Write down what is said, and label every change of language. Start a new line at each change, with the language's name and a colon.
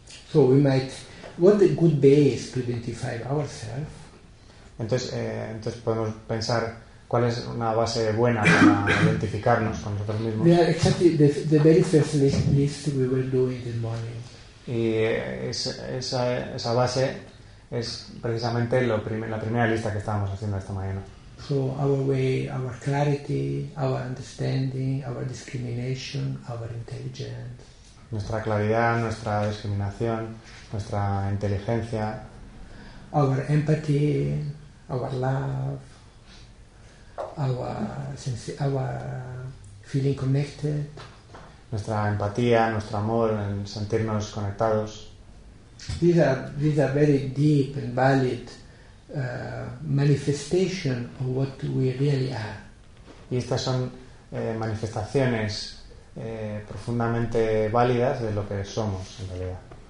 English: So we might, what a good base to identify ourselves.
Spanish: Entonces podemos pensar cuál es una base buena para identificarnos con nosotros mismos.
English: Yeah, exactly the very first list we will do in the morning.
Spanish: Y esa base es precisamente la primera lista que estábamos haciendo esta mañana.
English: So our way, our clarity, our understanding, our discrimination, our intelligence.
Spanish: Nuestra claridad, nuestra discriminación, nuestra inteligencia.
English: Our empathy, our love, our feeling connected.
Spanish: Nuestra empatía, nuestro amor, en sentirnos conectados.
English: These are very deep and valid manifestation of what we really are.
Spanish: Y estas son manifestaciones profundamente válidas de lo que somos en realidad.